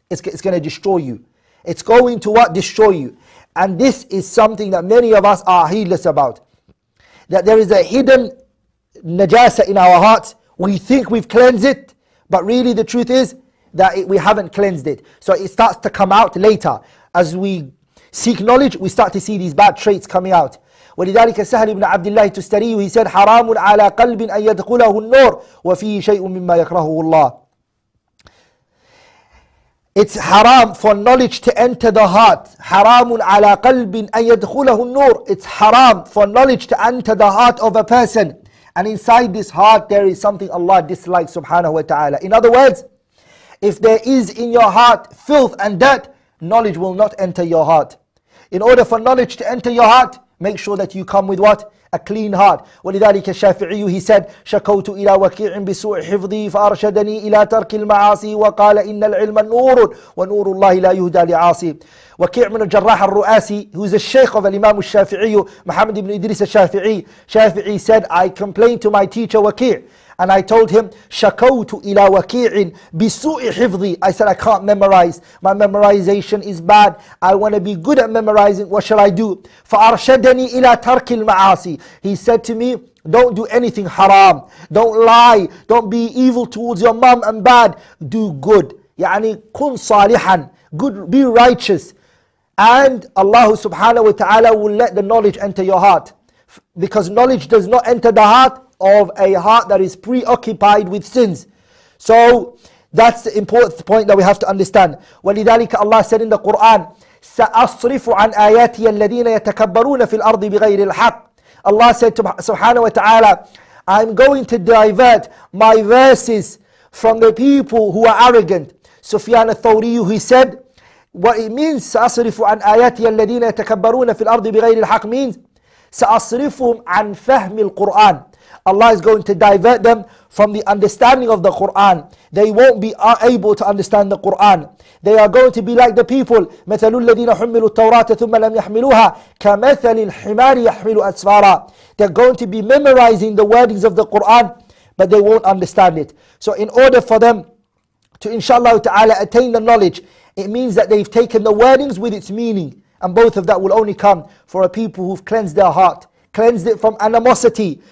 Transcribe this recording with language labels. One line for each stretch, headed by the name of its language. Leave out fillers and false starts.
English: It's going to destroy you. It's going to what? Destroy you. And this is something that many of us are heedless about. That there is a hidden najasa in our hearts. We think we've cleansed it, but really the truth is that we haven't cleansed it. So it starts to come out later. As we seek knowledge, we start to see these bad traits coming out.
Arabic: ولذلك سهل بن عبد الله التستري
English: he said
Arabic: حرام على قلب أن يدخله النور وفيه شيء مما يكرهه الله.
English: It's haram for knowledge to enter the heart.
Arabic: حرام على قلب أن يدخله النور.
English: It's haram for knowledge to enter the heart of a person, and inside this heart there is something Allah dislikes, subhanahu wa ta'ala. In other words, if there is in your heart filth and dirt, knowledge will not enter your heart. In order for knowledge to enter your heart, make sure that you come with what? A clean heart.
Arabic: ولذلك الشافعي
English: he said
Arabic: شكوت إلى وكيع بسوء حفظي فأرشدني إلى ترك المعاصي وقال إن العلم نور ونور الله لا يهدى لعاصي. وكيع من الجراح الرؤاسي
English: who is the sheikh of
Arabic: الإمام الشافعي محمد بن إدريس الشافعي.
English: شافعي said I complained to my teacher وكيع and I told him
Arabic: شكوت إلى وكيع بسوء حفظي.
English: I said I can't memorize, my memorization is bad, I want to be good at memorizing, what should I do?
Arabic: فأرشدني إلى ترك المعاصي.
English: He said to me, don't do anything haram, don't lie, don't be evil towards your mom and bad, do good.
Arabic: يعني كن صالحا,
English: good, be righteous, and Allah subhanahu wa ta'ala will let the knowledge enter your heart. Because knowledge does not enter the heart of a heart that is preoccupied with sins. So that's the important point that we have to understand.
Arabic: ولذلك
English: Allah said in the Quran,
Arabic: سأصرف عن آياتي الذين يتكبرون في الأرض بغير الحق.
English: Allah said subhanahu wa ta'ala, I'm going to divert my verses from the people who are arrogant. Sufyan al-Thawri, he said, what it means,
Arabic: سأصرف عن آياتي الذين يتكبرون في الأرض بغير الحق
English: means,
Arabic: سأصرفهم عن فهم القرآن.
English: Allah is going to divert them from the understanding of the Quran. They won't be able to understand the Quran. They are going to be like the people.
Arabic: مثل الذين حملوا التوراة ثم لم يحملوها كمثل الحمار يحمل أسفارا.
English: They're going to be memorizing the wordings of the Quran, but they won't understand it. So in order for them to inshallah ta'ala attain the knowledge, it means that they've taken the wordings with its meaning. And both of that will only come for a people who've cleansed their heart. Cleansed it from animosity.